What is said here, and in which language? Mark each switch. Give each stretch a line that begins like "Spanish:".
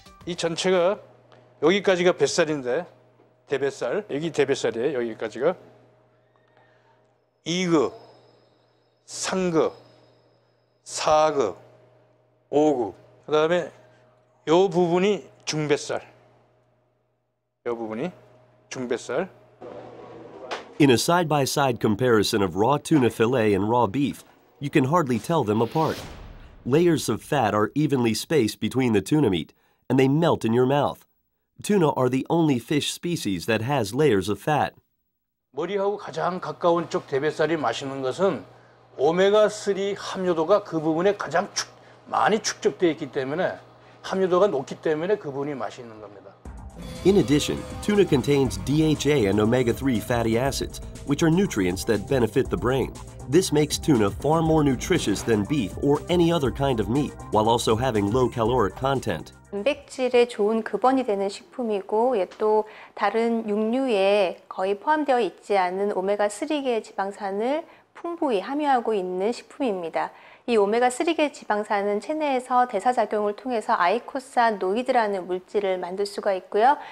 Korean: 이 전체가 여기까지가 뱃살인데, 대뱃살. 여기 대뱃살이에요, 여기까지가. 2급, 3급, 4급, 5급. 그 다음에 요 부분이 중뱃살. 요 부분이 중뱃살.
English: In a side-by-side comparison of raw tuna fillet and raw beef, you can hardly tell them apart. Layers of fat are evenly spaced between the tuna meat, and they melt in your mouth. Tuna are the only fish species that has layers of fat.
Korean: 머리하고 가장 가까운 쪽 대뱃살이 맛있는 것은 오메가3 함유도가 그 부분에 가장 많이 축적되어 있기 때문에 함유도가 높기 때문에 그 부분이 맛있는 겁니다.
English: In addition, tuna contains DHA and omega-3 fatty acids, which are nutrients that benefit the brain. This makes tuna far more nutritious than beef or any other kind of meat, while also having low caloric content.
Korean: 단백질의 좋은 근본이 되는 식품이고 또 다른 육류에 거의 포함되어 있지 않은 오메가3계 지방산을 풍부히 함유하고 있는 식품입니다. 이 오메가3계 지방산은 체내에서 대사작용을 통해서 아이코산 노이드라는 물질을 만들 수가 있고요.